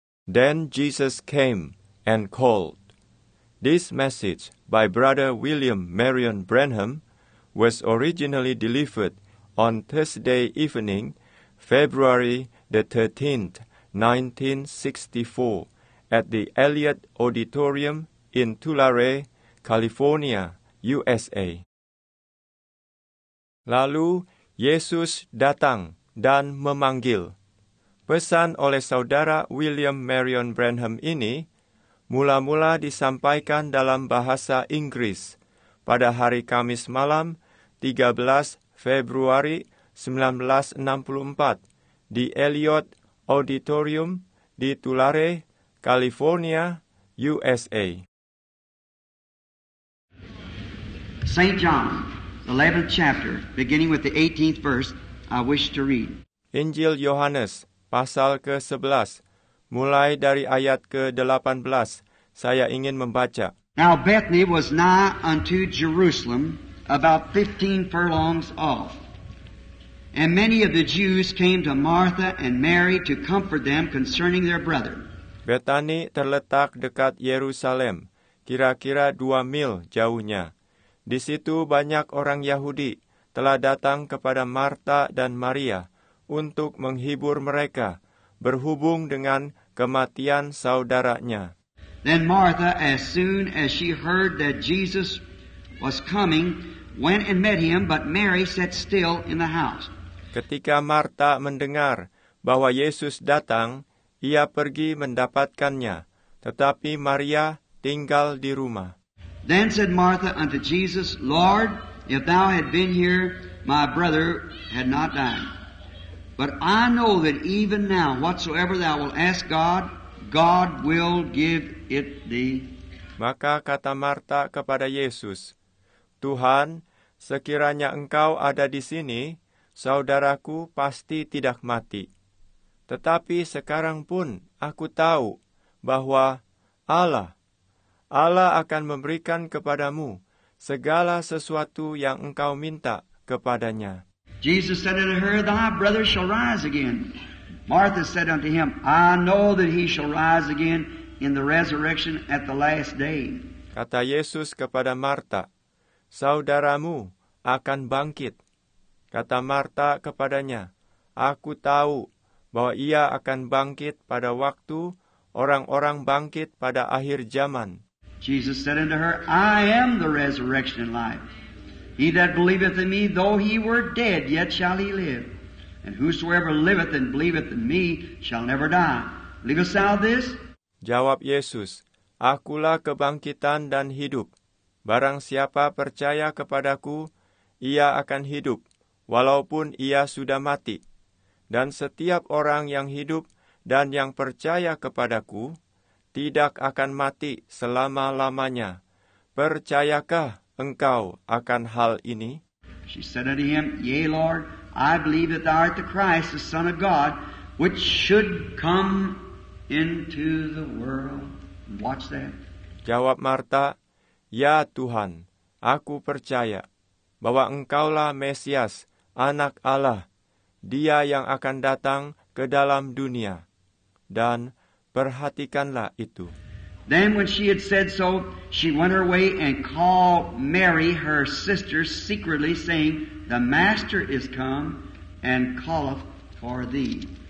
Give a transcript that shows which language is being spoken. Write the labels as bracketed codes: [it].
[en] Then Jesus came and called. This message by Brother William Marion Branham was originally delivered on Thursday evening, February the 13th, 1964, at the Elliott Auditorium in Tulare, California, USA. [id] Lalu Yesus datang dan memanggil. Pesan oleh saudara William Marion Branham ini mula-mula disampaikan dalam bahasa Inggris pada hari Kamis malam 13 Februari 1964 di Elliott Auditorium di Tulare, California, USA. [en] St. John, 11th chapter, beginning with the 18th verse, I wish to read. [id] Injil Yohanes, pasal ke-11, mulai dari ayat ke-18, saya ingin membaca. [en] Now Bethany was nigh unto Jerusalem, about 15 furlongs off. And many of the Jews came to Martha and Mary to comfort them concerning their brother. [id] Bethany terletak dekat Yerusalem, kira-kira 2 mil jauhnya. Di situ banyak orang Yahudi telah datang kepada Martha dan Maria untuk menghibur mereka berhubung dengan kematian saudaranya. [en] Then Martha, as soon as she heard that Jesus was coming, went and met him, but Mary sat still in the house. [id] Ketika Martha mendengar bahwa Yesus datang, ia pergi mendapatkannya, tetapi Maria tinggal di rumah. [en] Then said Martha unto Jesus, Lord, if thou had been here, my brother had not died. But I know that even now, whatsoever thou wilt ask God, God will give it thee. [id] Maka kata Martha kepada Yesus, Tuhan, sekiranya engkau ada di sini, saudaraku pasti tidak mati. Tetapi sekarang pun aku tahu bahwa Allah akan memberikan kepadamu segala sesuatu yang engkau minta kepadanya. [en] Jesus said unto her, Thy brother shall rise again. Martha said unto him, I know that he shall rise again in the resurrection at the last day. [id] Kata Yesus kepada Martha, Saudaramu akan bangkit. Kata Martha kepadanya, Aku tahu bahwa ia akan bangkit pada waktu orang-orang bangkit pada akhir zaman. [en] Jesus said unto her, I am the resurrection and life. He that believeth in me, though he were dead, yet shall he live. And whosoever liveth and believeth in me shall never die. Believest thou this? [id] Jawab Yesus, Akulah kebangkitan dan hidup. Barang siapa percaya kepadaku, ia akan hidup, walaupun ia sudah mati. Dan setiap orang yang hidup dan yang percaya kepadaku, tidak akan mati selama-lamanya. Percayakah engkau akan hal ini? [en] She said unto him, Yea, Lord, I believe that thou art the Christ, the Son of God, which should come into the world. Watch that. [id] Jawab Martha, Ya Tuhan, aku percaya bahwa engkaulah Mesias, anak Allah, dia yang akan datang ke dalam dunia. Dan perhatikanlah itu. [en] Then when she had said so, she went her way and called Mary, her sister, secretly, saying, The Master is come and calleth for thee.